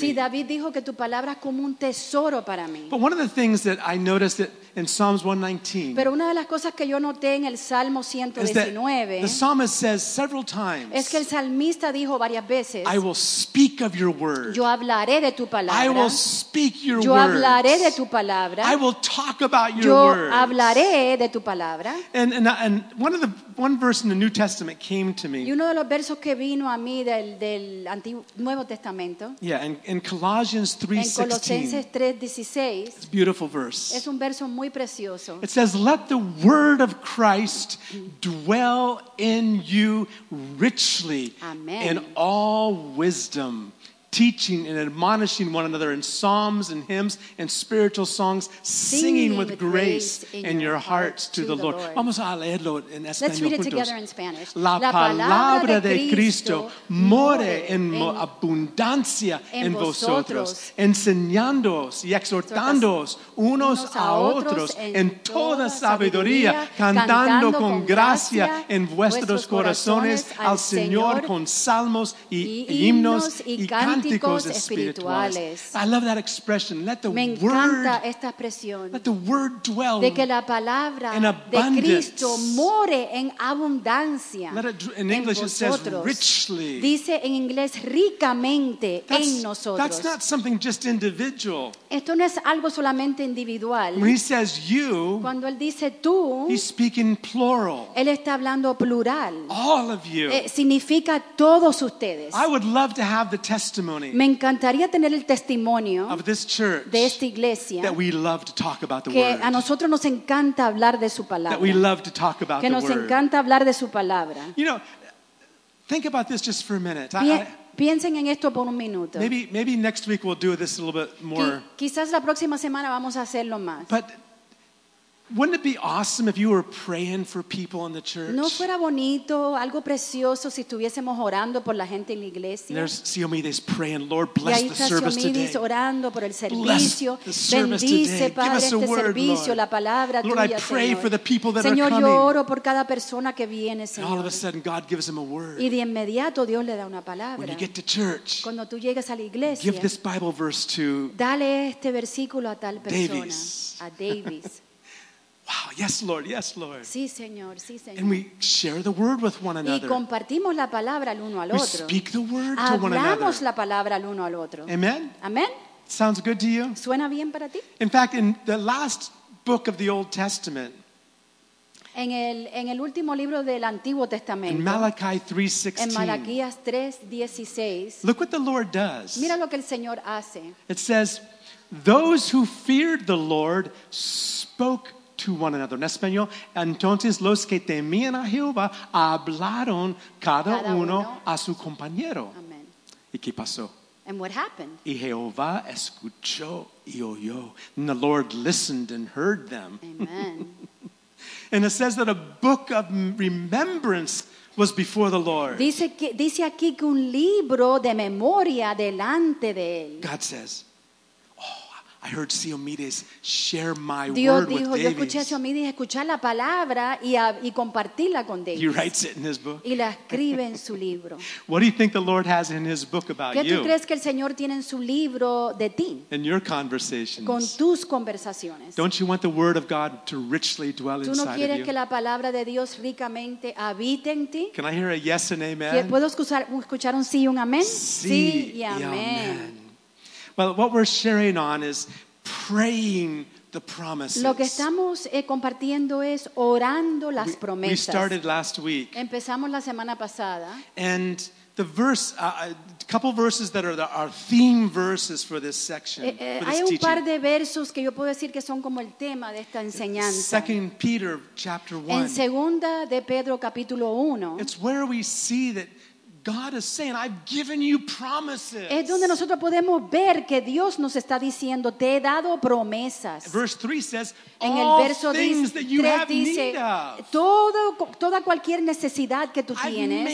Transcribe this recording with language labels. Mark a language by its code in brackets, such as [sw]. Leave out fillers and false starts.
[es] Sí, David dijo que tu palabra es como un tesoro para mí. [en] But one of the things that I noticed that in Psalms 119. [es] Pero una de las cosas que yo noté en el Salmo 119. [en] The psalmist says several times. [es] Es que el salmista dijo varias veces. [en] I will speak of your word. [es] Yo hablaré de tu palabra. [en] I will speak your [es] word. Yo hablaré de tu palabra. [en] I will talk about your [es] yo [en] words. [es] Yo hablaré de tu palabra. [en] And one of the one verse in the New Testament came to me. [es] Y uno de los versos que vino a mí del Antiguo Nuevo Testamento. [en] Yeah, in Colossians 3:16. [es] En Colosenses 3:16. [en] It's a beautiful verse. [es] Es un verso muy precioso. [en] It says, "Let the word of Christ dwell in you richly, amen, in all wisdom, teaching and admonishing one another in psalms and hymns and spiritual songs, singing with grace in your hearts to the Lord." [es] Vamos a leerlo en español juntos. [en] Let's read it together in Spanish. [es] La palabra de Cristo more en abundancia en vosotros, enseñándoos y exhortándoos unos a otros en toda sabiduría, cantando con gracia en vuestros corazones al Señor con salmos y himnos y cantos espirituales. [en] I love that expression. Let the word, [es] esta expresión, [en] let the word dwell [es] de que la palabra [en] in abundance. [es] De Cristo more en abundancia. [en] Let it, in English [es] en [en] it says richly. [es] Dice en inglés ricamente that's, en nosotros. [en] That's not something just individual. [es] Esto no es algo solamente individual. [en] When he says you, [es] cuando él dice tú, [en] he's speaking plural. [es] Él está hablando plural. [en] All of you. [es] Significa todos ustedes. [en] I would love to have the test. [es] Me encantaría tener el testimonio [en] of this church, [es] de esta iglesia [en] that we love to talk about the [es] que [en] word. [es] A nosotros nos encanta hablar de su palabra. [en] That we love to talk about [es] que [en] the [es] nos [en] word. [es] Encanta hablar de su palabra. [en] You know, think about this just for a minute. [es] Piensen en esto por un minuto. [en] Maybe next week we'll do this a little bit more. [es] Quizás la próxima semana vamos a hacerlo más. [en] But wouldn't it be awesome if you were praying for people in the church? [es] No fuera bonito, algo precioso si estuviésemos orando por la gente en la iglesia. [en] There's Siomides praying, Lord, bless the service today. [es] Y ahí está Siomides orando por el servicio. Bendice, Padre, este servicio, la palabra tuya, Señor. [en] Lord, I pray for the people that are coming. [es] Señor, yo oro por cada persona que viene, Señor. [en] And all of a sudden, God gives him a word. [es] Y de inmediato, Dios le da una palabra. [en] When you get to church, [es] cuando tú llegas a la iglesia, [en] give this Bible verse to [es] dale este versículo a tal persona, [en] Davis. [es] A Davis. [en] Wow, yes, Lord, yes, Lord. [es] Sí, Señor, sí, Señor. [en] And we share the word with one another. [es] Y compartimos la palabra el uno al otro. [en] We speak the word [es] hablamos [en] to one another. [es] Hablamos la palabra el uno al otro. [en] Amen? [es] Amen? [en] Sounds good to you? [es] ¿Suena bien para ti? [en] In fact, in the last book of the Old Testament, [es] en el último libro del Antiguo Testamento, [en] in Malachi 3:16, [es] en Malaquías 3:16, [en] look what the Lord does. [es] Mira lo que el Señor hace. [en] It says, those who feared the Lord spoke to one another. [es] En español, entonces los que temían a Jehová hablaron cada uno a su compañero. [en] Amen. [es] ¿Y qué pasó? [en] And what happened? [es] Y Jehová escuchó y oyó. [en] And the Lord listened and heard them. Amen. And it says that a book of remembrance was before the Lord. [es] Dice aquí que un libro de memoria delante de él. [en] God says, I heard Siomides share my [es] Dios [en] word [es] dijo, [en] with Davis. [es] Yo escuché a Siomides escuchar la palabra y compartirla con Davis. [en] He writes it in his book. [es] Y la escribe en su libro. [en] What do you think the Lord has in his book about [es] ¿qué [en] you? [es] ¿Qué tú crees que el Señor tiene en su libro de ti? [en] In your conversations. [es] Con tus conversaciones. [en] Don't you want the word of God to richly dwell inside of you? [es] ¿Tú no quieres que la palabra de Dios ricamente habite en ti? [en] Can I hear a yes and amen? [es] ¿Puedo escuchar un sí y un amén? Sí y amén. [en] Well, what we're sharing on is praying the promises. [es] Lo que estamos compartiendo es orando las promesas. [en] We started last week. [es] Empezamos la semana pasada. [en] And the verse, a couple verses that are our theme verses for this section. [es] Hay un par de versos que yo puedo decir que son como el tema de esta enseñanza. [en] 2 Peter chapter 1. [es] En segunda de Pedro capítulo 1. [en] It's where we see that God is saying, I've given you promises. [es] Es donde nosotros podemos ver que Dios nos está diciendo, te he dado promesas. [en] Verse 3 says, [es] en el verso 3 dice, toda cualquier necesidad que tú tienes,